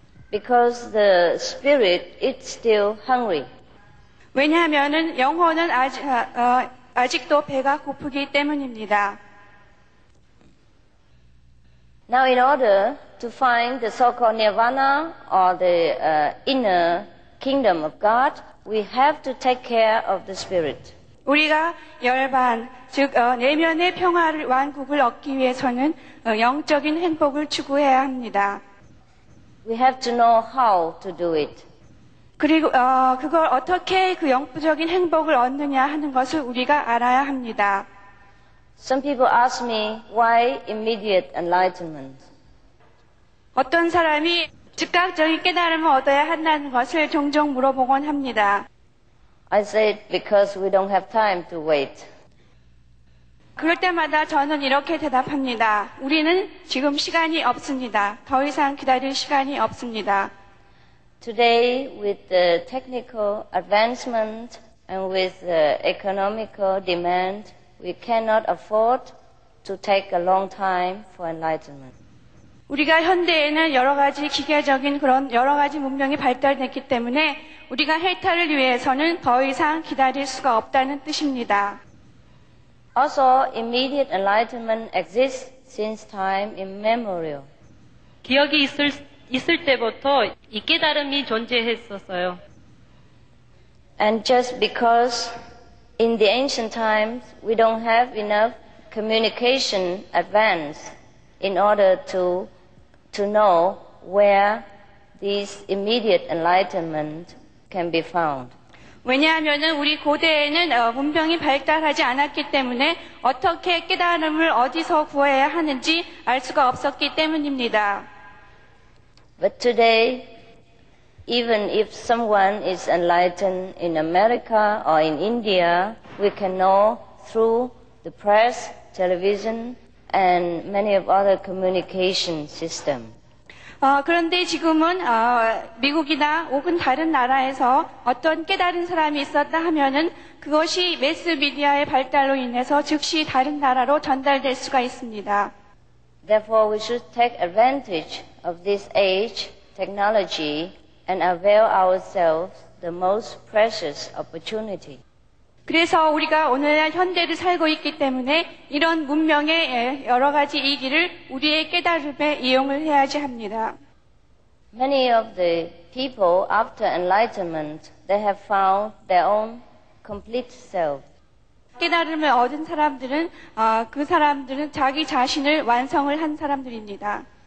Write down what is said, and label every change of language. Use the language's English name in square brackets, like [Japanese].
[English] Because the spirit is still hungry. [Korean] 왜냐하면은 영혼은 아직도 배가 고프기 때문입니다. [English] Now, in order to find the so-called nirvana or the inner kingdom of God. We have to take care of the spirit. [Korean] 우리가 열반, 즉 내면의 평화를 왕국을 얻기 위해서는 영적인 행복을 추구해야 합니다. [English] We have to know how to do it. [Korean] 그리고 그걸 어떻게 그 영적인 행복을 얻느냐 하는 것을 우리가 알아야 합니다. [English] Some people ask me why immediate enlightenment. [Korean] 어떤 사람이 즉각적인 깨달음을 얻어야 한다는 것을 종종 물어보곤 합니다. [English] I said because we don't have time to wait. [Korean] 그럴 때마다 저는 이렇게 대답합니다. 우리는 지금 시간이 없습니다. 더 이상 기다릴 시간이 없습니다. [English] Today, with the technical advancement and with the economical demand, we cannot afford to take a long time for enlightenment. [Korean] 우리가 현대에는 여러 가지 기계적인 그런 여러 가지 문명이 발달됐기 때문에 우리가 해탈을 위해서는 더 이상 기다릴 수가 없다는 뜻입니다. [English] Also, immediate enlightenment exists since time immemorial. [Korean] 기억이 있을 때부터 이 깨달음이 존재했었어요. [English] And just because in the ancient times we don't have enough communication advance in order to know where this immediate enlightenment can be found. [Korean] 왜냐하면은 우리 고대에는 문명이 발달하지 않았기 때문에 어떻게 깨달음을 어디서 구해야 하는지 알 수가 없었기 때문입니다. [English] But today, even if someone is enlightened in America or in India, we can know through the press, television, and many of other communication systems. [Korean] 그런데 지금은 미국이나 혹은 다른 나라에서 어떤 깨달은 사람이 있었다 하면은 그것이 매스 미디어의 발달로 인해서 즉시 다른 나라로 전달될 수가 있습니다. [English] Therefore, we should take advantage of this age, technology, and avail ourselves the most precious opportunity. [Korean] 그래서 우리가 오늘날 현대를 살고 있기 때문에 이런 문명의 여러 가지 이기를 우리의 깨달음에 이용을 해야지 합니다. [English] Many of the people after enlightenment, they have found their own complete self. [Korean] 깨달음을 얻은 사람들은 그 사람들은 자기 자신을 완성을 한 사람들입니다.